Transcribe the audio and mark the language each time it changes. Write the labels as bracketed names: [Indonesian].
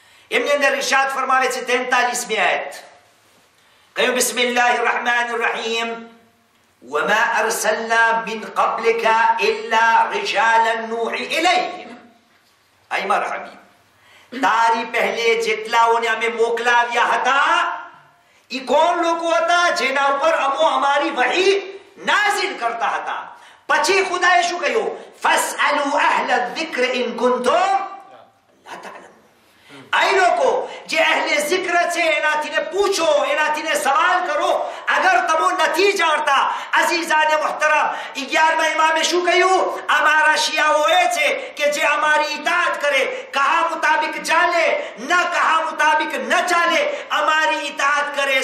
[Gujarati] એમની અંદર ઇરશાદ ફરમાવે છે 43મી આયત, કહ્યું બિસ્મિલ્લાહ રહમાન રહીમ [Arabic] وما ارسلنا من قبلك الا رجالا نوحي اليهم. اي مرحبا [Gujarati] તારી પહેલે જેટલાઓને અમે મોકલાવ્યા હતા ઈ કોણ લોકો હતા? જેના ઉપર અમો અમારી વહી નાઝિલ કરતા હતા. પછી ખુદાએ શું કહ્યું? [Arabic] فاسالوا اهل الذكر ان كنتم لا تعلمون. [Gujarati] આઈ લોકો જે અહલે ઝિક્ર છે એનાથી ને પૂછો, એનાથી ને સવાલ કરો અગર તમો નથી જાણતા. અઝીઝાને મહતરમ, 11મા ઇમામે શું કહ્યું? અમારા શિયાઓ એ છે કે જે અમારી ઇતાત કરે, કહા મુતાબિક ચાલે, ન કહા મુતાબિક ન ચાલે, અમારી ઇતાત કરે.